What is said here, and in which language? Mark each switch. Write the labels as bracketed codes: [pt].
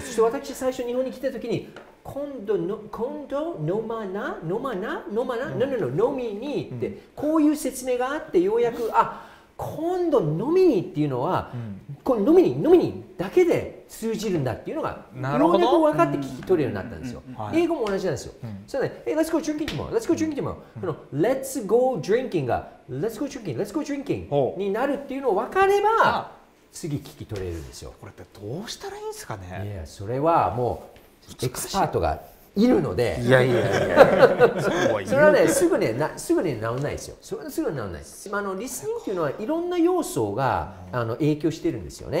[ja] そして私最初日本に来た時に今度の今度飲まな飲まな飲まな、うん、no, 飲みにって、うん、こういう説明があってようやく、あ、今度飲みにっていうのは、うん、この飲みに飲みにだけで通じるんだっていうのが、なるほど、分かって聞き取れるようになったんですよ。うんうんうん、はい、英語も同じなんですよ。うん、そうね、 [en] hey, Let's go drinking tomorrow. Let's go drinking tomorrow.、 [ja] うん、この [en] Let's go drinking [ja] が [en] Let's go drinking. Let's go drinking [ja] になるっていうのを分かれば、次聞き取れるんですよ。これってどうしたらいいんですかね。いや、それはもうエクスパートがいるので、いやいやいや、それはね、すぐね、すぐに治らないですよ。それはすぐに治らないです。あのリスニングというのはいろんな要素が、うん、あの影響してるんですよね。